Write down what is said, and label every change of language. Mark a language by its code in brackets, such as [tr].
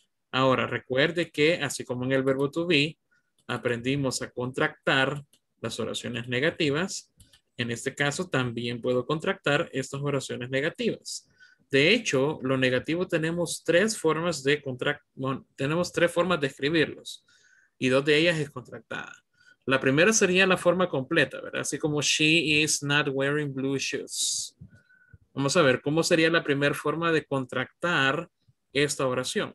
[es] Ahora, recuerde que así como en el verbo to be, aprendimos a contractar las oraciones negativas. En este caso, también puedo contractar estas oraciones negativas. De hecho, lo negativo tenemos tres formas de contractar, bueno, tenemos tres formas de escribirlos. Y dos de ellas es contractada. La primera sería la forma completa, ¿verdad? Así como [en] she is not wearing blue shoes. [es] Vamos a ver, ¿cómo sería la primera forma de contractar esta oración?